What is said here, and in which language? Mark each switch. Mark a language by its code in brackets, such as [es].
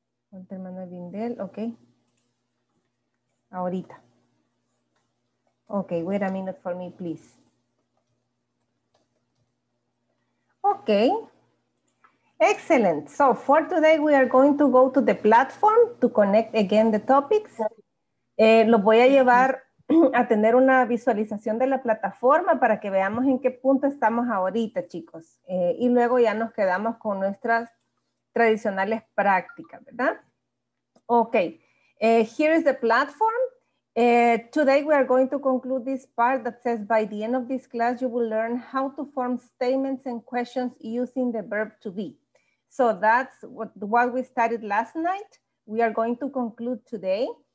[es] Walter Manuel Vindel, ok. Ahorita. [en] Okay, wait a minute for me, please. Okay, excellent. So for today, we are going to go to the platform to connect again the topics. [es] Los voy a llevar a tener una visualización de la plataforma para que veamos en qué punto estamos ahorita, chicos. Y luego ya nos quedamos con nuestras tradicionales prácticas, ¿verdad? [en] Okay, here is the platform. Today we are going to conclude this part that says by the end of this class you will learn how to form statements and questions using the verb to be. So that's what we studied last night. We are going to conclude today.